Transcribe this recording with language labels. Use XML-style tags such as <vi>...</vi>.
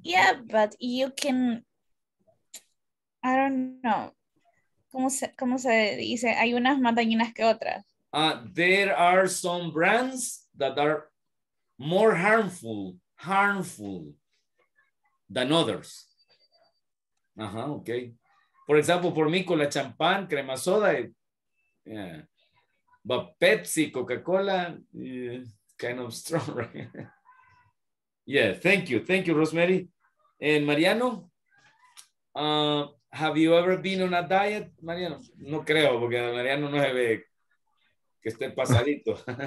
<en>Yeah, but you can, I don't know.</en> <es>¿Cómo se dice? Hay unas más dañinas que otras.</es> <en>There are some brands that are more harmful than others. Ajá, uh-huh, okay.</en> <es>Por ejemplo, por mí, con la champán, crema soda, yeah.</es> <en>But Pepsi, Coca-Cola, yeah, kind of strong, right? Yeah, thank you, Rosemary. And Mariano, have you ever been on a diet, Mariano?</en> <es>No creo, porque Mariano no se ve que esté pasadito.</es>